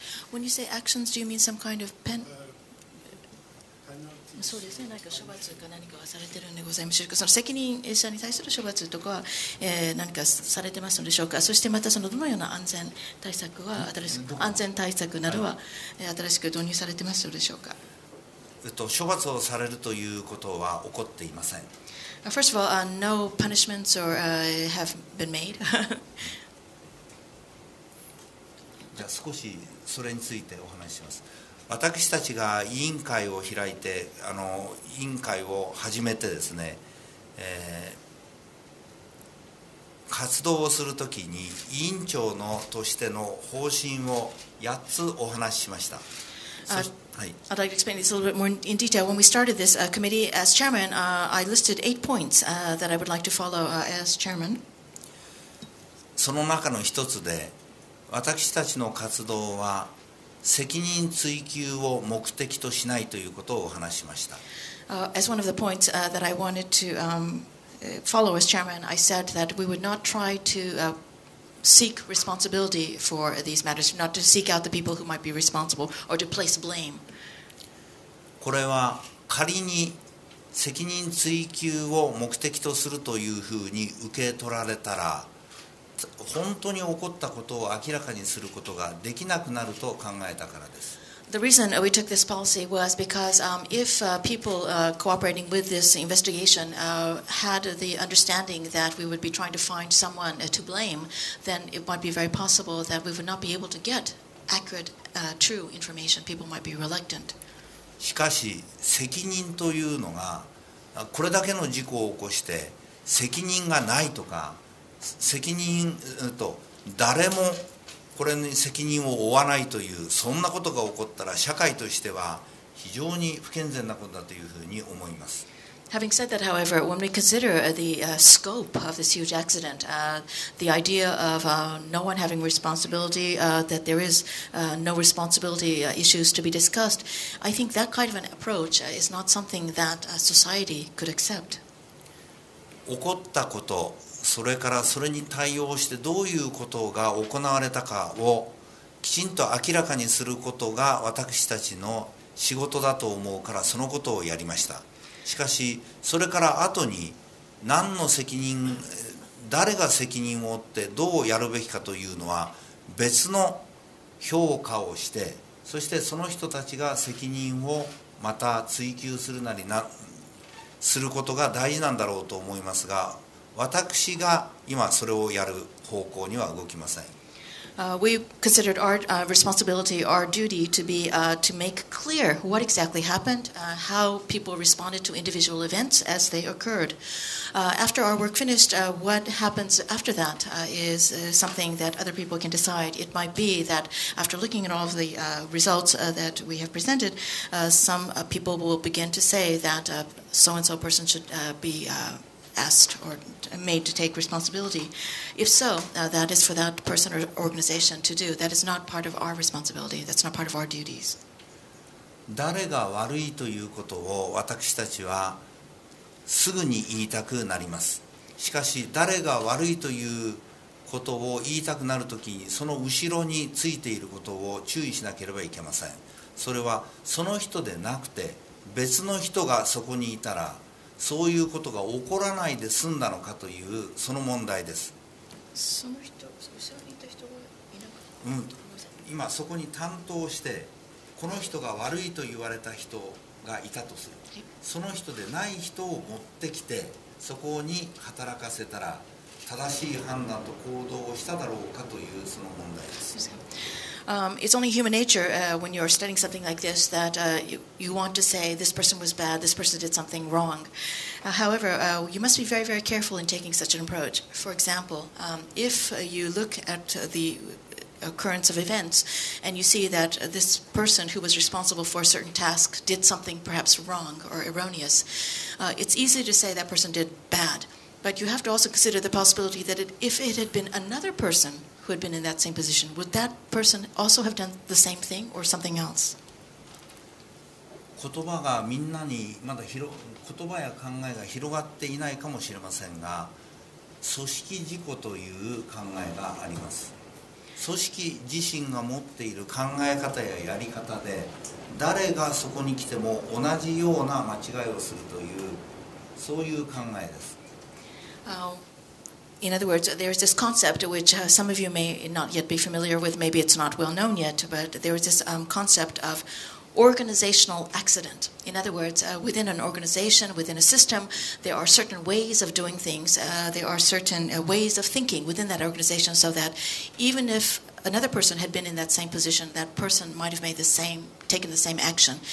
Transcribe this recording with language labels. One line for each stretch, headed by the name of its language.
English: When you say actions, do you mean some kind of pen?
Japanese: そうですね。何か処罰か何かはされているんでございましょうか。その責任者に対する処罰とかは、何かされてますのでしょうか。そしてまたそのどのような安全対策は新しく安全対策などは新しく導入されてますのでしょうか。処罰をされるということは起こっていません。
English: First of all, no punishments or have been made.
Japanese: じゃあ少しそれについてお話しします。私たちが委員会を開いて委員会を始めてですね、活動をするときに委員長のとしての方針を8つお話ししました。
English: はい、I'd like to explain this a little bit more in detail. When we started this committee as chairman, I listed 8 points that I would like to follow as chairman.
Japanese: その中の一つで私たちの活動は責任追及を目的としないということをお話しました。
English: As one of the points that I wanted to follow as chairman, I said that we would not try to seek responsibility for these matters, not to seek out the people who might be responsible or to place blame.
Japanese: これは仮に責任追及を目的とするというふうに受け取られたら、本当に起こったことを明らかにすることができなくなると考えたからです。
English: The reason we took this policy was because if people cooperating with this investigation had the understanding that we would be trying to find someone to blame, then it might be very possible that we would not be able to get accurate, true information. People might be reluctant.
Japanese: しかし、責任というのがこれだけの事故を起こして責任がないとか責任と誰もこれに責任を負わないというそんなことが起こったら社会としては非非常に不健全なことだというふうに思います。
English: Having said that, however, when we consider the scope of this huge accident, the idea of no one having responsibility, that there is no responsibility issues to be discussed, I think that kind of an approach is not something that society could accept.
Japanese: 起こったこと、それからそれに対応してどういうことが行われたかをきちんと明らかにすることが私たちの仕事だと思うからそのことをやりました。しかしそれから後に何の責任、誰が責任を負ってどうやるべきかというのは別の評価をして、そしてその人たちが責任をまた追及するなりなすることが大事なんだろうと思いますが、私が今それをやる方向には動きません。
English: We considered our responsibility, our duty to be to make clear what exactly happened, how people responded to individual events as they occurred. After our work finished, what happens after that is something that other people can decide. It might be that after looking at all of the results that we have presented, some people will begin to say that so-and-so person should be asked or made to take responsibility. If so, that is for that person or organization to do. That is not part of our responsibility. That's not part of our duties.
Japanese: 誰が悪いということを私たちはすぐに言いたくなります。しかし、誰が悪いということを言いたくなるときに、その後ろについていることを注意しなければいけません。それはその人でなくて別の人がそこにいたら、そういうことが起こらないで済んだのかというその問題です。その人、その後ろにいた人がいなかった、うん、今そこに担当してこの人が悪いと言われた人がいたとする、その人でない人を持ってきてそこに働かせたら正しい判断と行動をしただろうかというその問題です。
English: It's only human nature when you're studying something like this that you want to say this person was bad, this person did something wrong. However, you must be very, very careful in taking such an approach. For example, if you look at the occurrence of events and you see that this person who was responsible for a certain task did something perhaps wrong or erroneous, it's easy to say that person did bad. But you have to also consider the possibility that if it had been another person who had been in that same position, would that person also have done the same thing or something else?
Japanese: 言葉がみんなにまだ言葉や考えが広がっていないかもしれませんが、組織事故という考えがあります。組織自身が持っている考え方ややり方で、誰がそこに来ても同じような間違いをするというそういう考えです。
English: In other words, there is this concept which some of you may not yet be familiar with, maybe it's not well known yet, but there is this concept of organizational accident. In other words, within an organization, within a system, there are certain ways of doing things, there are certain ways of thinking within that organization so that even if another person had been in that same position, that person might have made the same, taken the same action.